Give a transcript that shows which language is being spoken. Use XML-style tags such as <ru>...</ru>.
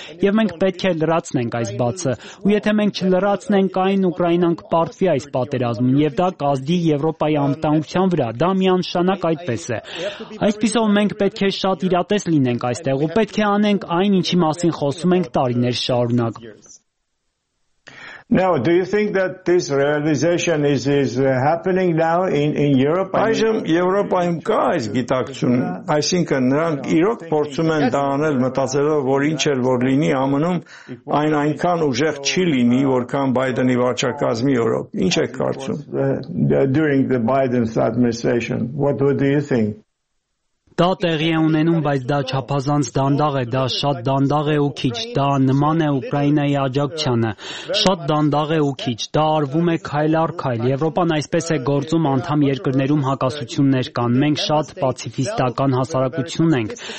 <hy>եւ մենք պետք է լրացնենք այս բացը, ու եթե մենք չլրացնենք այն, Ուկրաինան կպարտվի այս պատերազմին և դա կազդի Եվրոպայի անվտանգության վրա, դա միանշանակ այդպես է։ Այսպիսով մենք պետք է շատ իրատես լինենք այստեղ ու պետք է անենք այն, ինչի մասին խոսում ենք տարիներ շարունակ։</hy> <en>Now, do you think that this realization is happening now in Europe?</en> <hy>Այժմ Եվրոպայում կա այս գիտակցություն, այսինքն նրանք իրոք փորձում են դա անել, մտածելով, որ ինչ էլ որ լինի ԱՄՆ-ում, այն այնքան ուժեղ չի լինի, որքան Բայդենի վարչակազմի օրոք։ Ինչ եք կարծում?</hy> <en>During the Biden's administration, what would you think?</en> <hy>Դա տեղի է ունենում, բայց դա չափազանց դանդաղ է, դա շատ դանդաղ է ու քիչ, դա նման է Ուկրաինայի աջակցությանը, շատ դանդաղ է ու քիչ, դա արվում է քայլ առ քայլ։ Եվրոպան այսպես է գործում անդամ երկրներում հակասություններ կան, մենք շատ պացիֆիստական հասարակություն ենք,</hy>